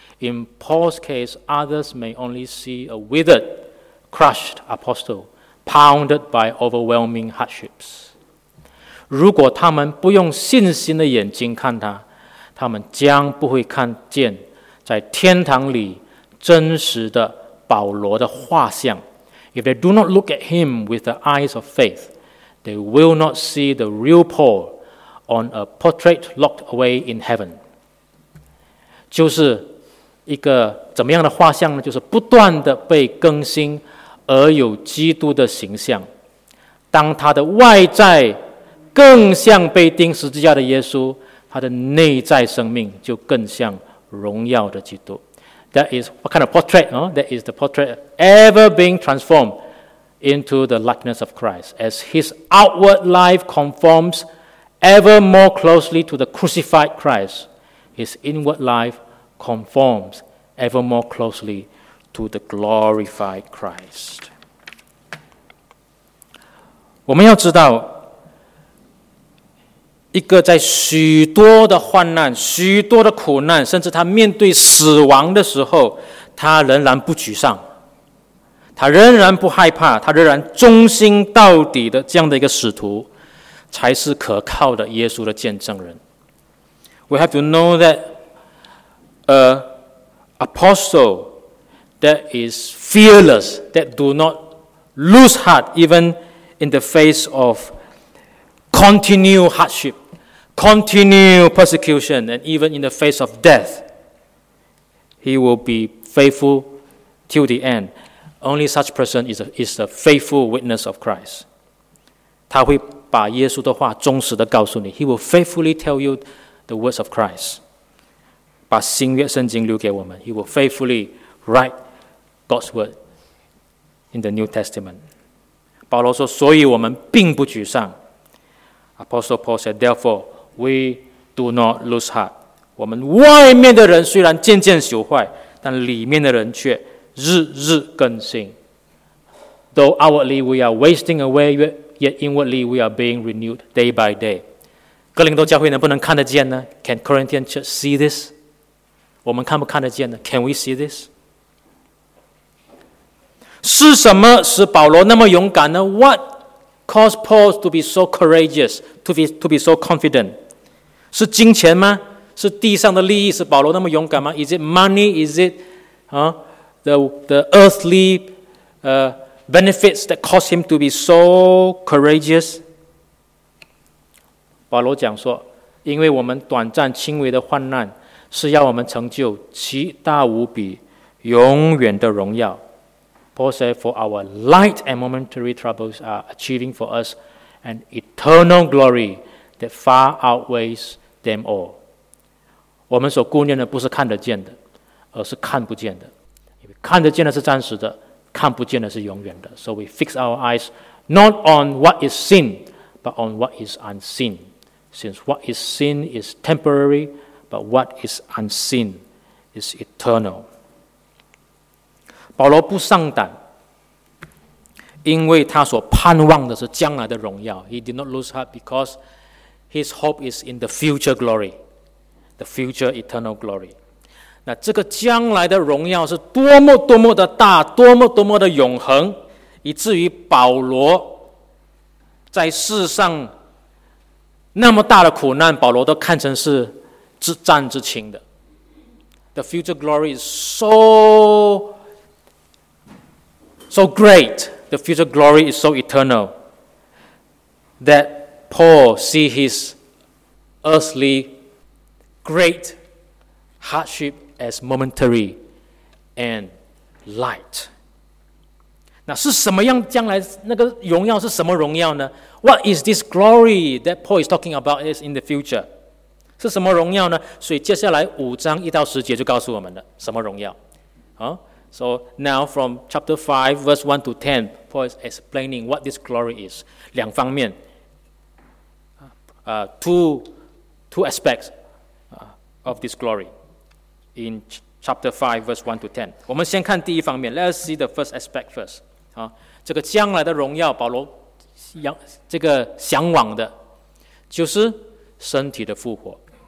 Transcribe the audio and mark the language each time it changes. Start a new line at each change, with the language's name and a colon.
English: In Paul's case, others may only see a withered, crushed apostle, pounded by overwhelming hardships.
Chinese: 如果他们不用信心的眼睛看他，他们将不会看见在天堂里真实的保罗的画像。
English: If they do not look at him with the eyes of faith, they will not see the real Paul on a portrait locked away in heaven.
Chinese: 就是一个怎么样的画像呢？就是不断的被更新而有基督的形象。当他的外在更像被钉十字架的耶稣，他的内在生命就更像荣耀的基督。
English: That is what kind of portrait? No? That is the portrait ever being transformed into the likeness of Christ as his outward life conforms ever more closely to the crucified Christ. His inward life conforms ever more closely to the glorified Christ.
Chinese: 我们要知道一个在许多的患难、许多的苦难，甚至他面对死亡的时候，他仍然不沮丧，他仍然不害怕，他仍然忠心到底的这样的一个使徒，才是可靠的耶稣的见证人。
English: We have to know that an apostle that is fearless, that do not lose heart even in the face of continued hardship. Continue persecution, and even in the face of death, he will be faithful till the end. Only such person is a faithful witness of Christ.
Chinese: 他会把耶稣的话忠实地告诉你。
English: He will faithfully tell you the words of Christ.
Chinese: 把新约圣经留给我们。
English: He will faithfully write God's word in the New Testament.
Chinese: 保罗说，所以我们并不沮丧。
English: Apostle Paul said, therefore,We do not lose heart.
Chinese: 我们外面的人虽然渐渐朽坏，但里面的人却日日更新。
English: Though outwardly we are wasting away, yet inwardly we are being renewed day by day.
Chinese: 哥林多教会能不能看得见呢？
English: Can Corinthian church see this?
Chinese: 我们看不看得见呢？
English: Can we see this?
Chinese: 是什么使保罗那么勇敢呢？
English: What? Cause Paul to be so courageous, to be so confident.
Chinese: 是金钱吗？是地上的利益使保罗那么勇敢吗？
English: Is it money? Is it the earthly benefits that cause him to be so courageous?
Chinese: 保罗讲说，因为我们短暂轻微的患难是要我们成就极大无比永远的荣耀。
English: Paul said, for our light and momentary troubles are achieving for us an eternal glory that far outweighs them all.
Chinese: 我们所顾念的不是看得见的，而是看不见的。因为看得见的是暂时的，看不见的是永远的。
English: So we fix our eyes not on what is seen, but on what is unseen. Since what is seen is temporary, but what is unseen is eternal.
Chinese: 保罗不上胆，因为他所盼望的是将来的荣耀。
English: He did not lose heart because his hope is in the future glory, the future eternal glory.
Chinese: 那这个将来的荣耀是多么多么的大，多么多么的永恒，以至于保罗在世上那么大的苦难，保罗都看成是自战自清的。
English: The future glory is so great, the future glory is so eternal that Paul see his earthly great hardship as momentary and light.
Chinese: 那是什么样将来那个荣耀是什么荣耀呢？
English: What is this glory that Paul is talking about is in the future?
Chinese: 是什么荣耀呢？所以接下来五章一到十节就告诉我们了什么荣耀。
English: So now from chapter 5, verse 1 to 10, Paul is explaining what this glory is.
Chinese: 两方面,
English: two aspects of this glory. In chapter 5, verse 1 to 10.
Chinese: 我们先看第一方面
English: Let us see the first aspect first.、
Chinese: 啊、这个将来的荣耀保罗这个向往的就是身体的复活。